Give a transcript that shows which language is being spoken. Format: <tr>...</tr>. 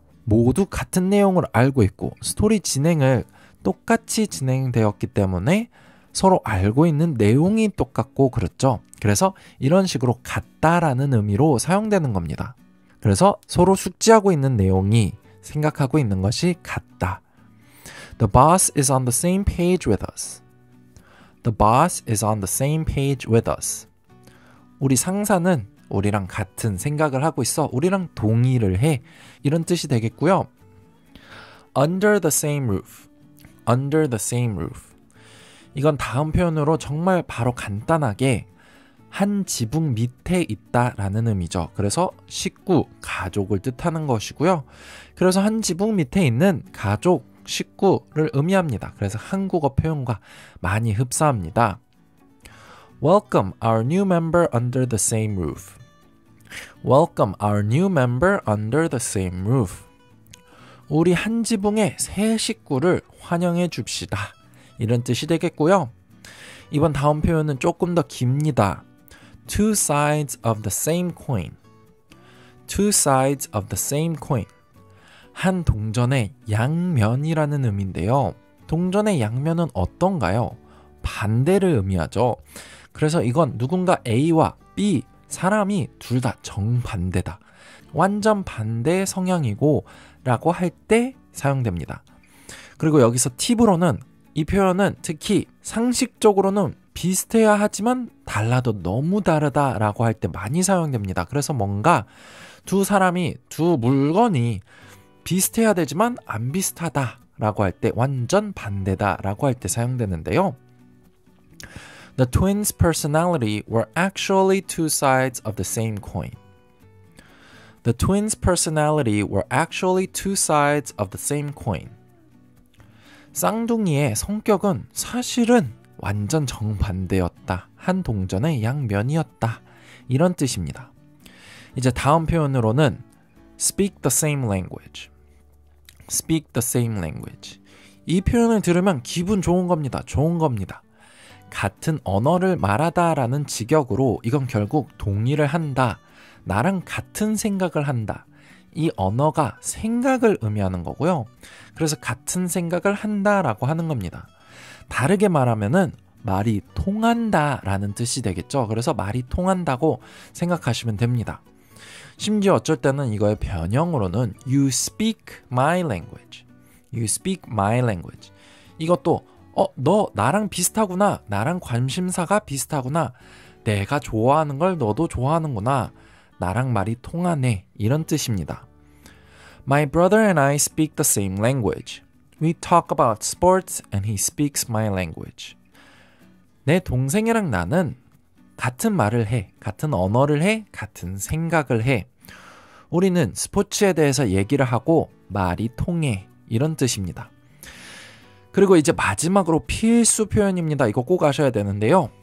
<ko>모두 같은 내용을 알고 있고 스토리 진행을 똑같이 진행되었기 때문에 서로 알고 있는 내용이 똑같고 그렇죠. 그래서 이런 식으로 같다라는 의미로 사용되는 겁니다. 그래서 서로 숙지하고 있는 내용이, 생각하고 있는 것이 같다.</ko> <en>The boss is on the same page with us. The boss is on the same page with us.</en> <ko>우리 상사는 우리랑 같은 생각을 하고 있어. 우리랑 동의를 해. 이런 뜻이 되겠고요.</ko> <en>Under the same roof. Under the same roof.</en> <ko>이건 다음 표현으로 정말 바로 간단하게 한 지붕 밑에 있다 라는 의미죠. 그래서 식구, 가족을 뜻하는 것이고요. 그래서 한 지붕 밑에 있는 가족, 식구를 의미합니다. 그래서 한국어 표현과 많이 흡사합니다.</ko> <en>Welcome our new member under the same roof. Welcome our new member under the same roof.</en> <ko>우리 한 지붕의 새 식구를 환영해 줍시다. 이런 뜻이 되겠고요. 이번 다음 표현은 조금 더 깁니다.</ko> <en>Two sides of the same coin. Two sides of the same coin.</en> <ko>한 동전의 양면이라는 의미인데요. 동전의 양면은 어떤가요? 반대를 의미하죠. 그래서 이건 누군가 A와 B, 사람이 둘 다 정반대다. 완전 반대 성향이고 라고 할 때 사용됩니다. 그리고 여기서 팁으로는 이 표현은 특히 상식적으로는 비슷해야 하지만 달라도 너무 다르다라고 할 때 많이 사용됩니다. 그래서 뭔가 두 사람이, 두 물건이 비슷해야 되지만 안 비슷하다라고 할 때 완전 반대다라고 할 때 사용되는데요.</ko> <en>The twins' personality were actually two sides of the same coin. The twins' personality were actually two sides of the same coin.</en> <ko>쌍둥이의 성격은 사실은 완전 정반대였다. 한 동전의 양면이었다. 이런 뜻입니다. 이제 다음 표현으로는</ko> <en>speak the same language. speak the same language.</en> <ko>이 표현을 들으면 기분 좋은 겁니다. 좋은 겁니다. 같은 언어를 말하다라는 직역으로 이건 결국 동의를 한다. 나랑 같은 생각을 한다. 이 언어가 생각을 의미하는 거고요. 그래서 같은 생각을 한다라고 하는 겁니다. 다르게 말하면은 말이 통한다라는 뜻이 되겠죠. 그래서 말이 통한다고 생각하시면 됩니다. 심지어 어쩔 때는 이거의 변형으로는</ko> <en>You speak my language. You speak my language.</en> <ko>이것도 너 나랑 비슷하구나. 나랑 관심사가 비슷하구나. 내가 좋아하는 걸 너도 좋아하는구나. 나랑 말이 통하네. 이런 뜻입니다.</ko> <en>My brother and I speak the same language. We talk about sports and he speaks my language.</en> <ko>내 동생이랑 나는 같은 말을 해. 같은 언어를 해. 같은 생각을 해. 우리는 스포츠에 대해서 얘기를 하고 말이 통해. 이런 뜻입니다. 그리고 이제 마지막으로 필수 표현입니다. 이거 꼭 아셔야 되는데요.</ko>